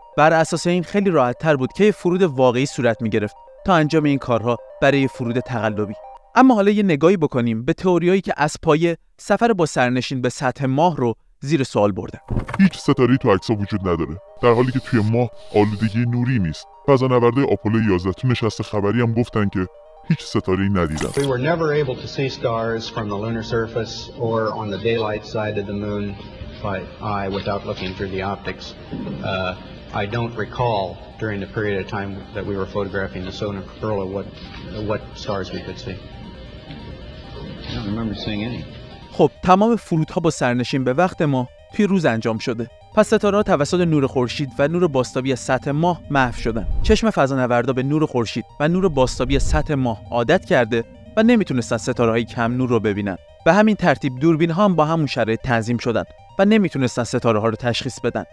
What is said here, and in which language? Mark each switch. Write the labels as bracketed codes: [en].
[fa] بر اساس این خیلی راحت تر بود که فرود واقعی صورت میگرفت تا انجام این کارها برای فرود تقلبی. اما حالا یه نگاهی بکنیم به تئوریایی که از پایه سفر با سرنشین به سطح ماه رو زیر سوال برده. هیچ ستاره‌ای تو عکس‌ها وجود نداره، در حالی که توی ماه آلودگی نوری نیست. فضانورده آپولو 11 تو نشست خبری هم گفتن که هیچ ستاره‌ای ندیدن. [en] We were never able to see stars from the lunar surface or on the daylight side of the moon by eye without looking through the optics. I don't recall during the period of time that we were photographing the Sona Corolla what stars we could see. I don't remember seeing any. [fa] خب تمام فرودها با سرنشین به وقت ما توی روز انجام شده. پس ستاره‌ها توسط نور خورشید و نور باستابی سطح ماه محو شدن. چشم فضانوردا به نور خورشید و نور باستابی سطح ماه عادت کرده و نمیتونستن ستاره‌های کم نور رو ببینن. به همین ترتیب دوربین‌ها هم با همون شرایط تنظیم شدن و نمیتونستن ستاره‌ها رو تشخیص بدن.